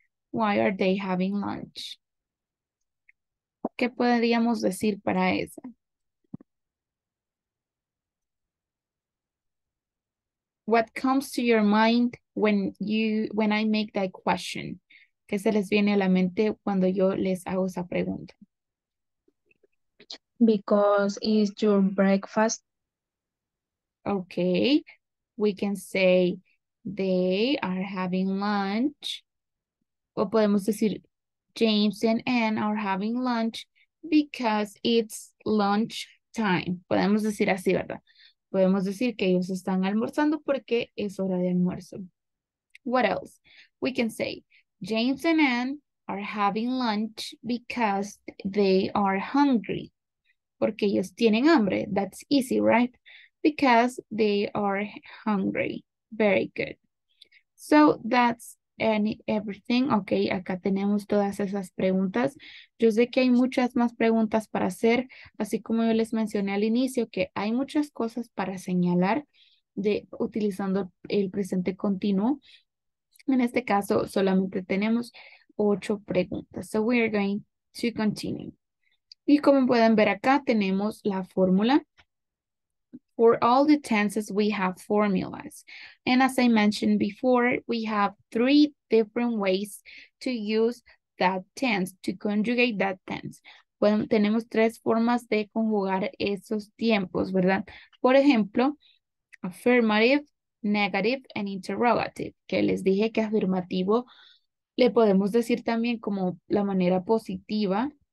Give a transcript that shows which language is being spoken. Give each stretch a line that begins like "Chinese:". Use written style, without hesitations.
English: Why are they having lunch?
Spanish: ¿Qué podríamos decir para eso?
English: What comes to your mind when I make that question?
Spanish: ¿Qué se les viene a la mente cuando yo les hago esa pregunta?
English: Because it's your breakfast. Okay, we can say they are having lunch.
Spanish: O podemos decir
English: James and Anne are having lunch because it's lunch time.
Spanish: Podemos decir así, ¿verdad? Podemos decir que ellos están almorzando porque es hora de almuerzo.
English: What else? We can say James and Anne are having lunch because they are hungry.
Spanish: Porque ellos tienen hambre.
English: That's easy, right? Because they are hungry. Very good. So that's everything. Okay,
Spanish: acá tenemos todas esas preguntas. Yo sé que hay muchas más preguntas para hacer. Así como yo les mencioné al inicio, que hay muchas cosas para señalar de utilizando el presente continuo. En este caso, solamente tenemos 8 preguntas.
English: So we are going to continue.
Spanish: Y como pueden ver acá, tenemos la fórmula.
English: For all the tenses, we have formulas. And as I mentioned before, we have 3 different ways to use that tense, to conjugate that tense.
Spanish: Bueno, tenemos 3 formas de conjugar esos tiempos, ¿verdad? Por ejemplo,
English: affirmative, negative, and interrogative,
Spanish: que les dije que afirmativo le podemos decir también como la manera positiva.